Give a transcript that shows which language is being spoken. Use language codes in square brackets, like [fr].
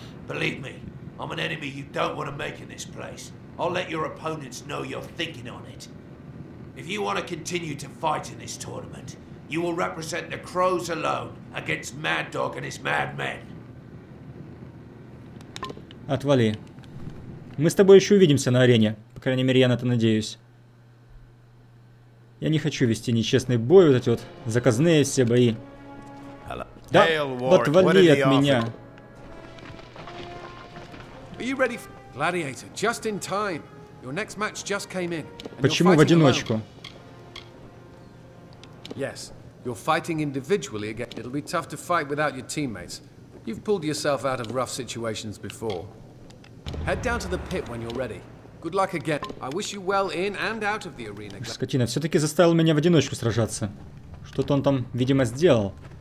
[en] Believe me, I'm an enemy you don't want to make in this place. I'll let your opponents know you're thinking on it. If you want to continue to fight in this tournament, you will represent the Crows alone against Mad Dog and his mad men. [ru] Отвали. Мы с тобой еще увидимся на арене. По крайней мере, я на это надеюсь. Я не хочу вести нечестный бой, вот эти вот заказные все бои. [en] Hello. [ru] Да, отвали от меня. [en] Are you ready for... Gladiator, just in time. Your next match just came in. [ru] Почему в одиночку? [en] Yes, you're fighting individually again. It'll be tough to fight without your teammates. You've pulled yourself out of rough situations before. Head down to the pit when you're ready. Good luck again. I wish you well in and out of the arena. [ru] Скотина, все-таки заставил меня в одиночку сражаться. Что-то он там, видимо, сделал.